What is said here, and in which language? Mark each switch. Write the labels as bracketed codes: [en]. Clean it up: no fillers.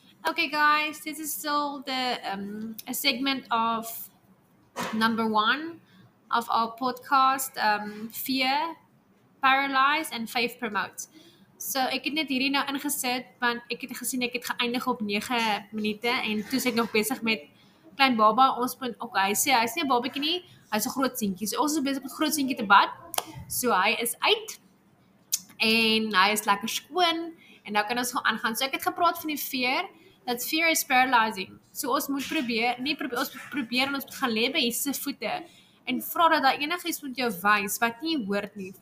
[en] Okay, guys, this is still the a segment of number one of our podcast, Fear, Paralyze and Faith Promotes. [af] So ek het net hierdie nou ingesit, want ek het gesien ek het geëindig op 9 minute en toe is ek nog besig met klein baba. Ons punt, okay, hy sê hy is nie 'n babiekie nie, hy is 'n groot seentjie. So ons is besig met groot seentjie te bad. So hy is uit en hy is lekker skoon en nou kan ons gaan aangaan. So ek het gepraat van die fear. [en] That fear is paralyzing. [af] So ons moet probeer en ons moet gaan lê by Jesus se voete en vra dat hy enigiets met jou wys wat nie hoort nie.